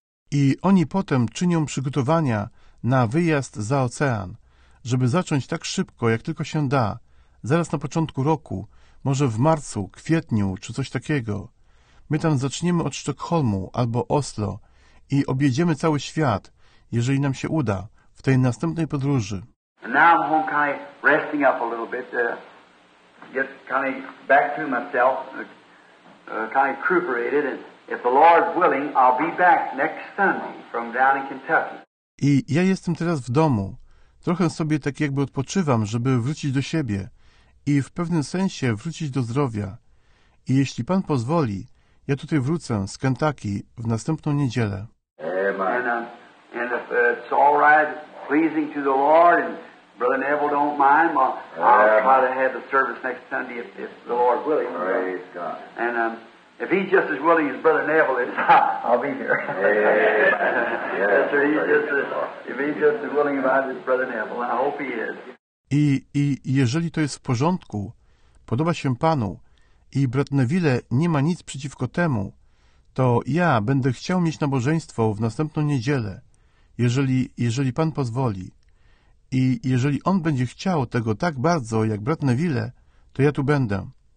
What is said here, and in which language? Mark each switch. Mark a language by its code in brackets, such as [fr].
[pl] I oni potem czynią przygotowania na wyjazd za ocean, żeby zacząć tak szybko, jak tylko się da, zaraz na początku roku, może w marcu, kwietniu czy coś takiego. My tam zaczniemy od Sztokholmu albo Oslo i objedziemy cały świat, jeżeli nam się uda, w tej następnej podróży. [en] And now I'm home kind of resting up a little bit. get kind of back to myself, kind of recuperated, and if the Lord's willing, I'll be back next Sunday from down in Kentucky. [pl] I ja jestem teraz w domu. Trochę sobie tak jakby odpoczywam, żeby wrócić do siebie i w pewnym sensie wrócić do zdrowia. I jeśli Pan pozwoli, ja tutaj wrócę z Kentucky w następną niedzielę. [en] Amen. And if it's all right, pleasing to the Lord, and Brother Neville don't mind, well, I'll try to have the service next Sunday if the Lord willing. Praise God. And if he's just as willing as Brother Neville is, I'll be here. Yes, sir. If he's just as willing about it as Brother Neville, and I hope he is. [pl] I jeżeli to jest w porządku, podoba się Panu, i brat Neville nie ma nic przeciwko temu, to ja będę chciał mieć nabożeństwo w następną niedzielę, jeżeli Pan pozwoli. I jeżeli on będzie chciał tego tak bardzo, jak brat Neville, to ja tu będę.